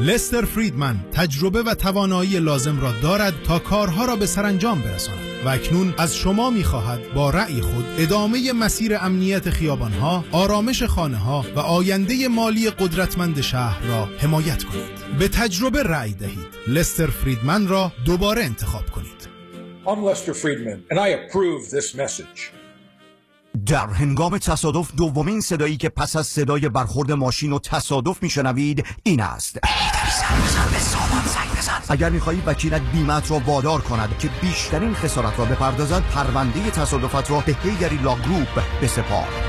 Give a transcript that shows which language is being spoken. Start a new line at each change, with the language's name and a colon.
Persian: لستر فریدمن تجربه و توانایی لازم را دارد تا کارها را به سرانجام برساند و اکنون از شما می خواهد با رأی خود ادامه مسیر امنیت خیابانها، آرامش خانه ها و آینده مالی قدرتمند شهر را حمایت کنید. به تجربه رأی دهید. لستر فریدمن را دوباره انتخاب کنید.
English: I'm Lester Friedman and I approve this message.
Persian: در هنگام تصادف دومین صدایی که پس از صدای برخورد ماشین و تصادف می شنوید این است. اگر می خواهید وکیلت بیمت را وادار کند که بیشترین خسارت را بپردازد، پرونده تصادفت را به هیگری لا گروپ بسپار.